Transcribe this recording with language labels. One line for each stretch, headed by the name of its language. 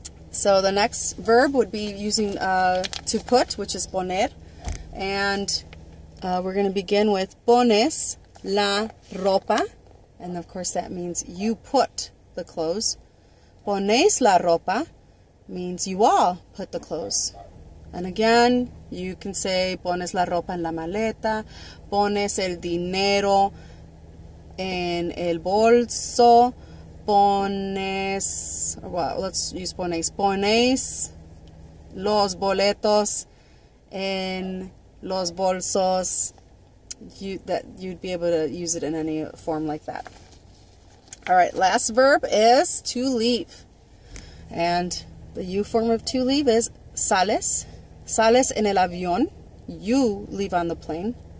English: So the next verb would be using to put, which is poner. And we're going to begin with
Spanish: pones la ropa.
English: And of course that means you put the clothes.
Spanish: Pones la ropa
English: means you all put the clothes. And again, you can say,
Spanish: pones la ropa en la maleta, pones el dinero en el bolso, pones,
English: well, let's use
Spanish: pones, pones los boletos en los bolsos.
English: You'd be able to use it in any form like that. All right, last verb is to leave. And the you form of to leave is sales.
Spanish: Sales en el avión,
English: you leave on the plane.